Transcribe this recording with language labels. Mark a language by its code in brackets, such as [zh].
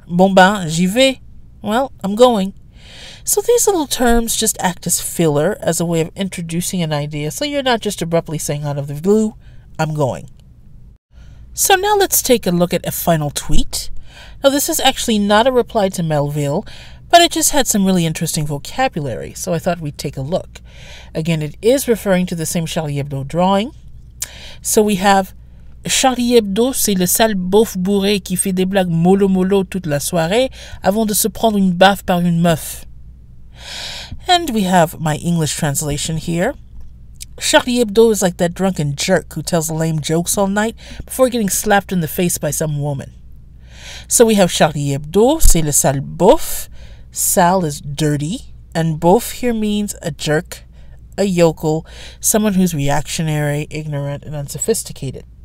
[fr] Bon ben, j'y vais. [en] Well, I'm going. So these little terms just act as filler, as a way of introducing an idea, so you're not just abruptly saying out of the blue, I'm going. So now let's take a look at a final tweet. Now this is actually not a reply to Melville, but it just had some really interesting vocabulary, so I thought we'd take a look. Again, it is referring to the same Charlie Hebdo drawing. So we have, [fr] Charlie Hebdo, c'est le sale beauf bourré qui fait des blagues mollo-mollo toute la soirée avant de se prendre une baffe par une meuf. [en] And we have my English translation here. Charlie Hebdo is like that drunken jerk who tells lame jokes all night before getting slapped in the face by some woman. So we have Charlie Hebdo, [fr] c'est le sale beauf. [en] Sale is dirty, and beauf here means a jerk, a yokel, someone who's reactionary, ignorant, and unsophisticated.